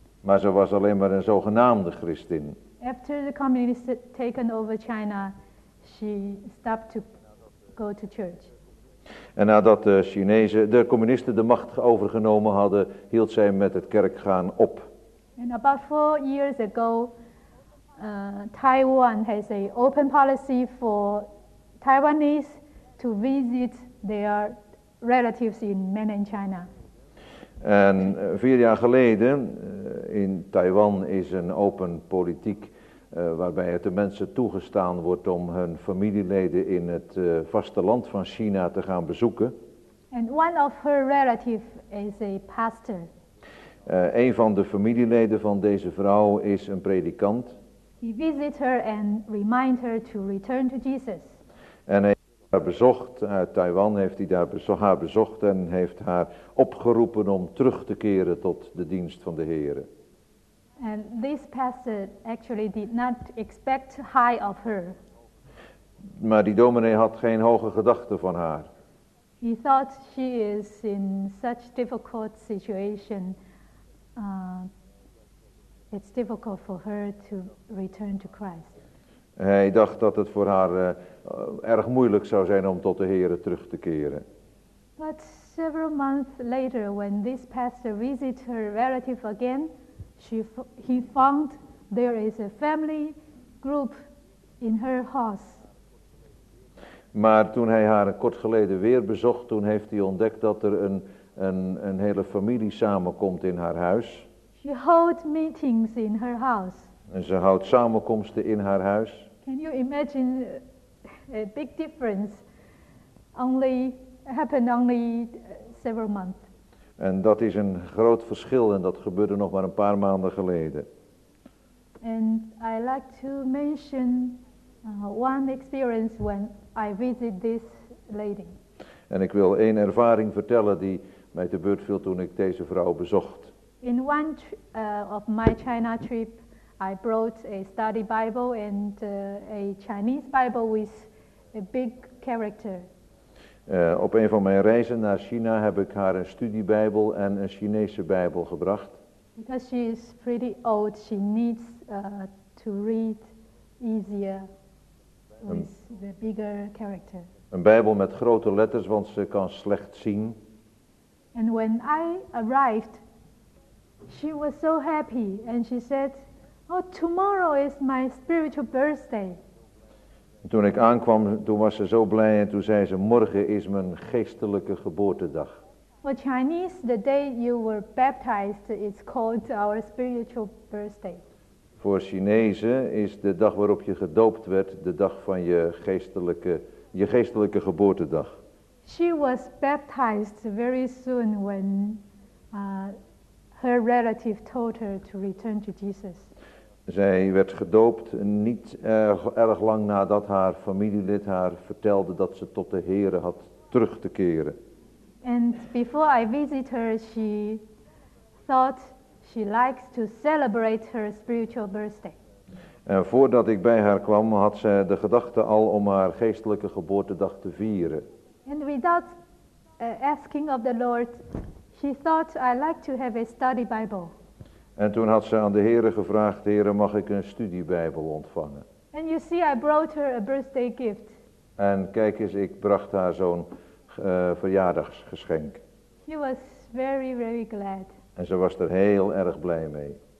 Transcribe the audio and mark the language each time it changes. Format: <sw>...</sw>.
<nl>Maar ze was alleen maar een zogenaamde christin.</nl> <en>After the communists had taken over China, she stopped to go to church.</en> <nl>En nadat de communisten de macht overgenomen hadden, hield zij met het kerkgaan op.</nl> <en>And about 4 years ago, Taiwan has a open policy for Taiwanese to visit their relatives in mainland China.</en> <nl>En 4 jaar geleden in Taiwan is een open politiek waarbij het de mensen toegestaan wordt om hun familieleden in het vasteland van China te gaan bezoeken.</nl> <en>And one of her relatives is a pastor.</en> <nl>Een van de familieleden van deze vrouw is een predikant.</nl> <en>He visited her and reminded her to return to Jesus.</en> <nl>En hij heeft haar bezocht, uit Taiwan heeft hij haar bezocht en heeft haar opgeroepen om terug te keren tot de dienst van de Heere.</nl> <en>And this pastor actually did not expect high of her.</en> <nl>Maar die dominee had geen hoge gedachten van haar.</nl> <en>He thought she is in such difficult situation. It's difficult for her to return to Christ.</en> <nl>Hij dacht dat het voor haar erg moeilijk zou zijn om tot de Heere terug te keren.</nl> <en>But several months later, when this pastor visited her relative again, he found there is a family group in her house.</en> <nl>Maar toen hij haar kort geleden weer bezocht, toen heeft hij ontdekt dat er een hele familie samenkomt in haar huis.</nl> <en>She holds meetings in her house.</en> <nl>En ze houdt samenkomsten in haar huis.</nl> <en>Can you imagine a big difference? Happened only several months.</en> <nl>En dat is een groot verschil en dat gebeurde nog maar een paar maanden geleden.</nl> <en>And I like to mention one experience when I visit this lady.</en> <nl>En ik wil één ervaring vertellen die mij te beurt viel toen ik deze vrouw bezocht.</nl> <en>In one of my China trip, I brought a study Bible and a Chinese Bible with a big character.</en> <nl>Op een van mijn reizen naar China heb ik haar een studiebijbel en een Chinese Bijbel gebracht.</nl> <en>Because she is pretty old, she needs to read easier with the bigger character.</en> <nl>Een Bijbel met grote letters, want ze kan slecht zien.</nl> <en>And when I arrived, she was so happy and she said, "Oh, tomorrow is my spiritual birthday."</en> <nl>Toen ik aankwam, toen was ze zo blij en toen zei ze, "Morgen is mijn geestelijke geboortedag."</nl> <en>For Chinese, the day you were baptized is called our spiritual birthday.</en> <nl>Voor Chinezen is de dag waarop je gedoopt werd de dag van je geestelijke geboortedag.</nl> <en>She was baptized very soon when her relative told her to return to Jesus.</en> <nl>Zij werd gedoopt niet erg lang nadat haar familielid haar vertelde dat ze tot de Heere had terug te keren.</nl> <en>And before I visited her, she thought she likes to celebrate her spiritual birthday.</en> <nl>En voordat ik bij haar kwam, had ze de gedachte al om haar geestelijke geboortedag te vieren.</nl> <en>And without asking of the Lord, she thought, "I like to have a study Bible."</en> <nl>En toen had ze aan de Heere gevraagd, "Heere, mag ik een studiebijbel ontvangen?"</nl> <en>And you see, I brought her a birthday gift.</en> <nl>En kijk eens, ik bracht haar zo'n verjaardagsgeschenk.</nl> <en>She was very, very glad.</en> <nl>En ze was er heel erg blij mee.</nl>